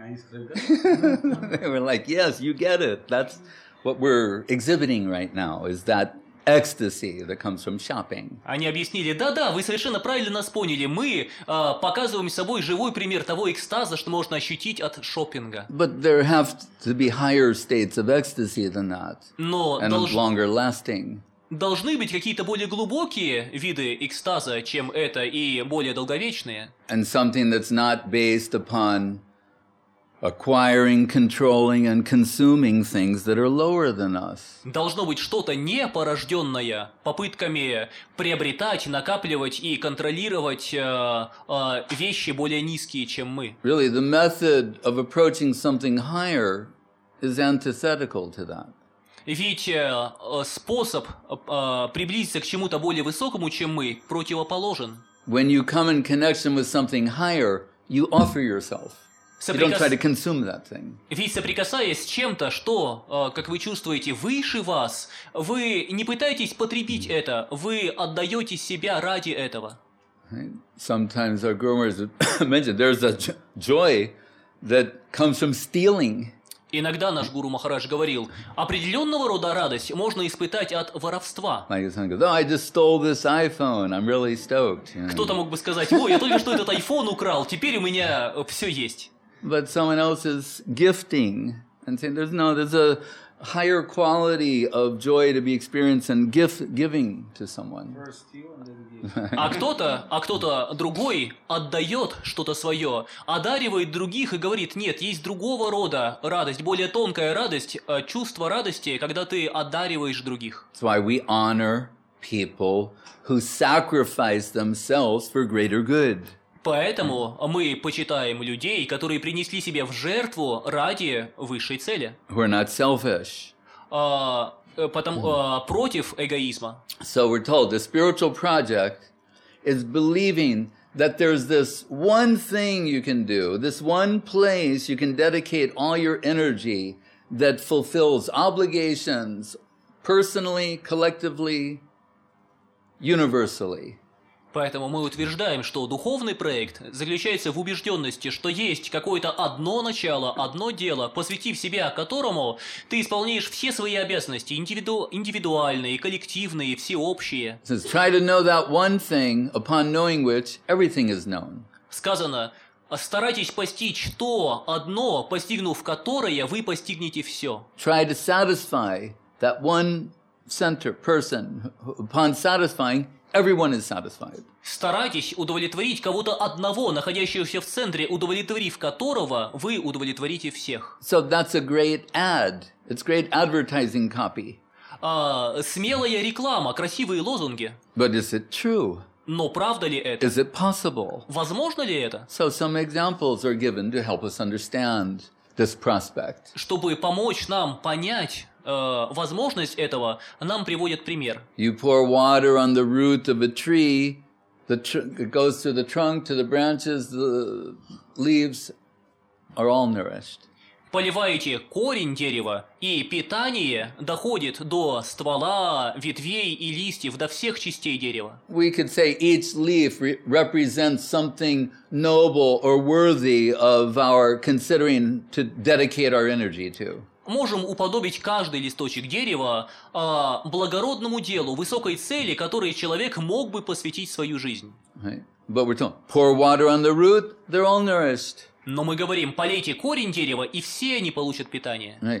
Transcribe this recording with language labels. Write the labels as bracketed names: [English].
[English] They were like, yes, you get it. That's what we're exhibiting right now, is that ecstasy that comes from shopping. [Russian] Они объяснили, да-да, вы совершенно правильно нас поняли. Мы показываем собой живой пример того экстаза, что можно ощутить от шопинга. [English] But there have to be higher states of ecstasy than that. [Russian] Но [English] and longer lasting. [Russian] Должны быть какие-то более глубокие виды экстаза, чем это, и более долговечные. [English] And something that's not based upon acquiring, controlling, and consuming things that are lower than us. [Russian] Должно быть что-то непорожденное попытками приобретать, накапливать и контролировать вещи более низкие, чем мы. [English] Really, the method of approaching something higher is antithetical to that. [Russian] Ведь способ приблизиться к чему-то более высокому, чем мы, противоположен. [English] When you come in connection with something higher, you offer yourself. You don't try to consume that thing. [Russian] Ведь соприкасаясь с чем-то, что, как вы чувствуете, выше вас, вы не пытаетесь потребить mm-hmm. это, вы отдаете себя ради этого. [English] Sometimes our groomers mentioned there's a joy that comes from stealing. [Russian] Иногда наш гуру Махарадж говорил, определенного рода радость можно испытать от воровства. Кто-то мог бы сказать, ой, я только что этот iPhone украл, теперь у меня все есть. [English] But someone else is gifting And saying there's a higher quality of joy to be experienced and giving to someone. [Russian] А кто-то, другой отдает что-то свое, одаривает других и говорит, нет, есть другого рода радость, более тонкая радость, чувство радости, когда ты одариваешь других. [English] That's why we honor people who sacrifice themselves for greater good. [Russian] Поэтому мы почитаем людей, которые принесли себя в жертву ради высшей цели. [English] We're not selfish. [Russian] Против эгоизма. [English] So we're told the spiritual project is believing that there's this one thing you can do, this one place you can dedicate all your energy that fulfills obligations personally, collectively, universally. [Russian] Поэтому мы утверждаем, что духовный проект заключается в убежденности, что есть какое-то одно начало, одно дело, посвятив себя которому, ты исполняешь все свои обязанности, индивидуальные, коллективные, всеобщие. [English] Try to know that one thing, upon knowing which everything is known. [Russian] Сказано, старайтесь постичь то одно, постигнув которое, вы постигнете все. [English] Try to satisfy that one center person, upon satisfying, everyone is satisfied. [Russian] Старайтесь удовлетворить кого-то одного, находящегося в центре, удовлетворив которого, вы удовлетворите всех. [English] So that's a great ad. It's great advertising copy. [Russian] Смелая реклама, красивые лозунги. [English] But is it true? [Russian] Но правда ли это? [English] Is it possible? [Russian] Возможно ли это? [English] So some examples are given to help us understand this prospect. [Russian] Чтобы помочь нам понять возможность этого, нам приводит пример. [English] You pour water on the root of a tree, it goes through the trunk to the branches, the leaves are all nourished. [Russian] Поливаете корень дерева, и питание доходит до ствола, ветвей и листьев, до всех частей дерева. [English] We could say each leaf represents something noble or worthy of our considering to dedicate our energy to. [Russian] Можем уподобить каждый листочек дерева благородному делу, высокой цели, которой человек мог бы посвятить свою жизнь. Но мы говорим, полейте корень дерева, и все они получат питание.